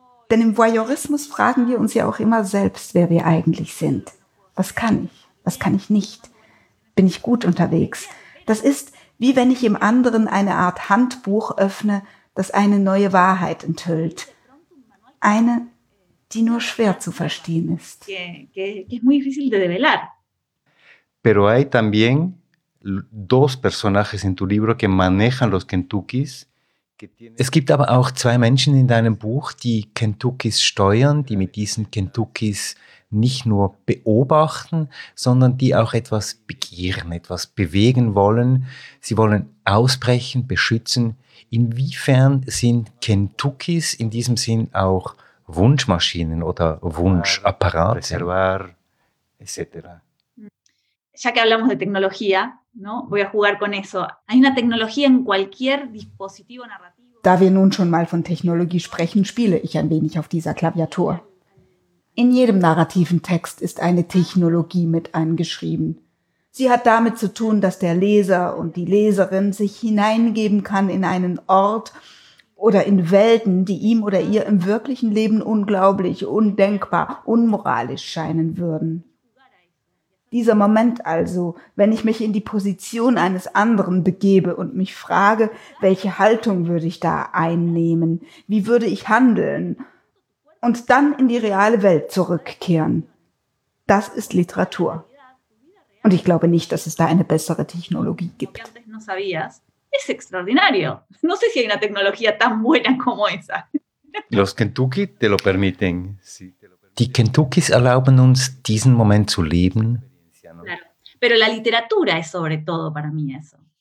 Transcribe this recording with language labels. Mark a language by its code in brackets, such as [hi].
[de] Denn im Voyeurismus fragen wir uns ja auch immer selbst, wer wir eigentlich sind. Was kann ich? Was kann ich nicht? Bin ich gut unterwegs? Das ist, wie wenn ich im anderen eine Art Handbuch öffne, das eine neue Wahrheit enthüllt. Eine, die nur schwer zu verstehen ist. [es] Que es muy difícil de develar. Pero hay también dos personajes en tu libro que manejan los Kentuckys. [de] Es gibt aber auch zwei Menschen in deinem Buch, die Kentuckys steuern, die mit diesen Kentuckys nicht nur beobachten, sondern die auch etwas begehren, etwas bewegen wollen. Sie wollen ausbrechen, beschützen. Inwiefern sind Kentuckys in diesem Sinn auch Wunschmaschinen oder Wunschapparate? [es] Reservar, etc. Ya que hablamos de tecnología, ¿no? Voy a jugar con eso. Hay una tecnología en cualquier dispositivo narrativo. [de] Da wir nun schon mal von Technologie sprechen, spiele ich ein wenig auf dieser Klaviatur. In jedem narrativen Text ist eine Technologie mit eingeschrieben. Sie hat damit zu tun, dass der Leser und die Leserin sich hineingeben kann in einen Ort oder in Welten, die ihm oder ihr im wirklichen Leben unglaublich, undenkbar, unmoralisch scheinen würden. Dieser Moment also, wenn ich mich in die Position eines anderen begebe und mich frage, welche Haltung würde ich da einnehmen, wie würde ich handeln und dann in die reale Welt zurückkehren, das ist Literatur. Und ich glaube nicht, dass es da eine bessere Technologie gibt. Es ist [es] extraordinario. No sé si hay una tecnología tan buena como esa. Los Kentucky te lo permiten. [de] Die Kentuckys erlauben uns, diesen Moment zu leben. [es] Pero la literatura es sobre todo para mí eso.